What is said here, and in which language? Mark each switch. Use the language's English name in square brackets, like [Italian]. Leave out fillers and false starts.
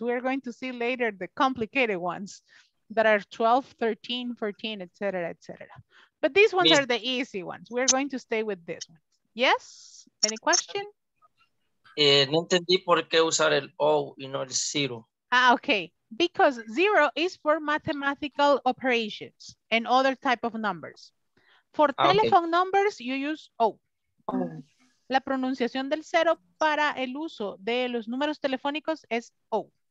[English] We are going to see later the complicated ones that are 12, 13, 14, etc., etc. But these ones are the easy ones. We are going to stay with this one. Yes? Any question? [Spanish] No entendí por qué usar el O y no el cero. [English] Ah, okay. Because zero is for mathematical operations and other type of numbers. For telephone numbers, you use O. [Spanish] La pronunciación del cero para el uso de los números telefónicos es O.